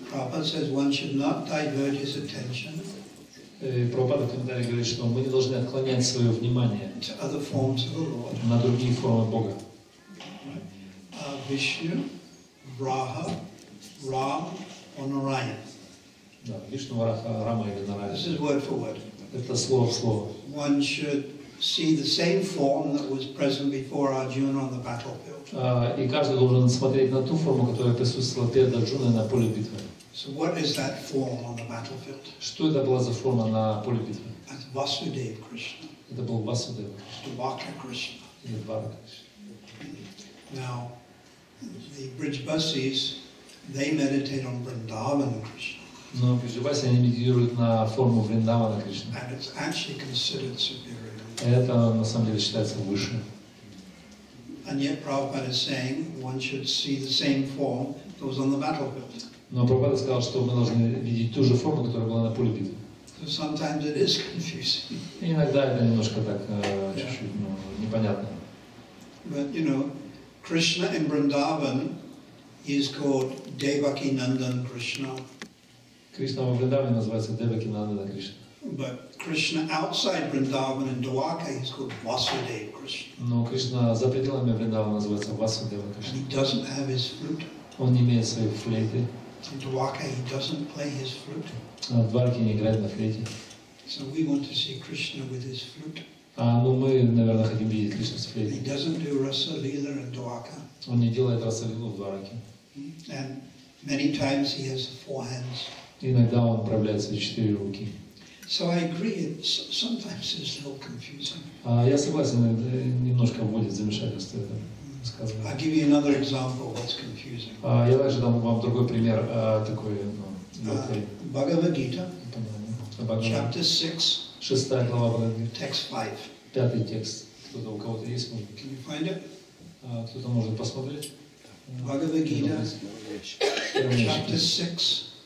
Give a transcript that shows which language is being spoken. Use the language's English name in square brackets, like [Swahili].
[English] Prabhupada says one should not divert his attention. [Russian] Prabhupada в комментарии говорит, что мы не должны отклонять свое внимание [English] to other forms of the Lord. [Russian] На другие формы Бога. [English] Vishnu, Braha, Ram, or Narayan. [Russian] Да, Вишну, Враха, Рама или Нараяна. [English] This is word for word. [Russian] Это слово в слово. [English] One should see the same form that was present before Arjuna on the battlefield. [Russian] И каждый должен смотреть на ту форму, которая присутствовала перед Арджуной на поле битвы. [English] So what is that form on the battlefield? [Russian] Что это была за форма на поле битвы? [English] It's Vasudeva Krishna. [Russian] Это был Васудева Кришна. Дваха Кришна. Или Двара Кришна. [English] Now, the Brijbasis, they meditate on Vrindavana Krishna. [Russian] Но Бриджбаси они медитируют на форму Вриндавана Кришны. [English] And it's actually considered superior. [Russian] Это на самом деле считается выше. [English] And yet Prabhupada is saying one should see the same form that was on the battlefield. [Russian] Но Прабхупада сказал, что мы должны видеть ту же форму, которая была на поле битвы. [English] So sometimes it is confusing. [Russian] Иногда это немножко так чуть-чуть, но непонятно. [English] But you know, Krishna in Vrindavan is called Devaki Nandan Krishna. [Russian] Кришна во Вриндаване называется Деваки Нандана Кришна. [English] But Krishna outside Vrindavan in Dwarka is called Vasudeva Krishna. [Russian] Но Кришна за пределами Вриндавана называется Васудева Кришна. [English] He doesn't have his flute. [Russian] Он не имеет своей флейты. [English] In Dwarka he doesn't play his flute. [Russian] А в Дварке не играет на флейте. [English] So we want to see Krishna with his flute. [Russian] А ну мы, наверное, хотим видеть Кришну с флейтой. [English] He doesn't do rasa lila in Dwarka. [Russian] Он не делает раса лилу в Дварке. [English] And many times he has four hands. [Russian] Иногда он отправляется в четыре руки. [English] So I agree, it's sometimes it's a little confusing. [Russian] Я согласен, это немножко вводит замешательство это сказано. [English] I'll give you another example of what's confusing. [Russian] Я также дам вам другой пример такой. Бхагавад-гита. [English] Chapter 6. [Russian] Шестая глава Бхагавад-гиты. [English] Text 5. [Russian] Пятый текст. Кто-то у кого-то есть, может. [English] Can you find it? [Russian] Кто-то может посмотреть. Бхагавад-гита. [English] Chapter 6.